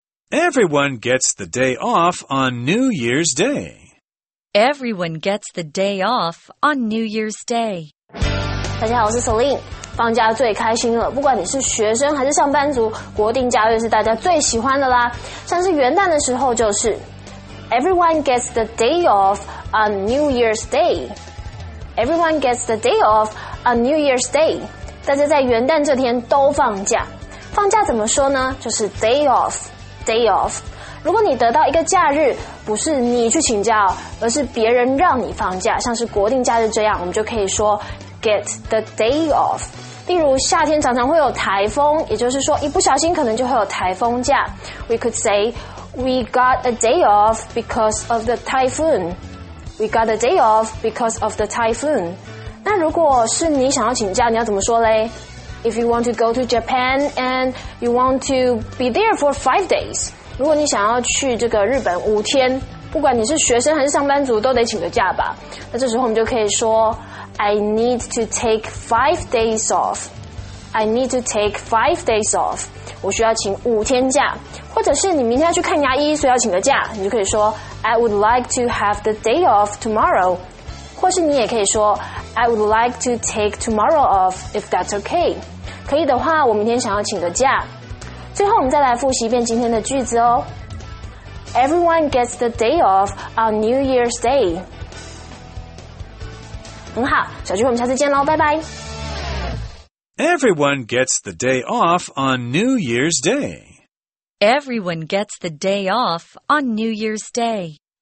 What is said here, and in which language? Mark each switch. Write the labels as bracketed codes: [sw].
[en] Everyone gets the day off on New Year's Day. Everyone gets the day off on New Year's Day. [zh] 大家好，我是 Celine. 放假最开心了，不管你是学生还是上班族，国定假日是大家最喜欢的啦。像是元旦的时候就是 [en] Everyone gets the day off on New Year's Day. Everyone gets the day off on New Year's Day. [zh] 大家在元旦这天都放假。放假怎么说呢？就是 day off, day off. 如果你得到一个假日，不是你去请假，而是别人让你放假，像是国定假日这样，我们就可以说 [en] Get the day off. [zh] 例如夏天常常会有台风，也就是说一不小心可能就会有台风假。 [en] We could say, we got a day off because of the typhoon. We got a day off because of the typhoon. [zh] 那如果是你想要请假，你要怎么说勒？ [en] If you want to go to Japan and you want to be there for 5 days. [zh] 如果你想要去这个日本五天，不管你是学生还是上班族都得请个假吧。那这时候我们就可以说 [en] I need to take 5 days off. [zh] I need to take 5 days off. 我需要请五天假。或者是你明天要去看牙医，所以要请个假。你就可以说 [en] I would like to have the day off tomorrow. [zh] 或是你也可以说 [en] I would like to take tomorrow off if that's okay. [zh] 可以的话，我明天想要请个假。最后，我们再来复习一遍今天的句子哦。 [en] Everyone gets the day off on New Year's Day. [zh] 很好，小聚会我们下次见喽，拜拜。 [en] Everyone gets the day off on New Year's Day. Everyone gets the day off on New Year's Day.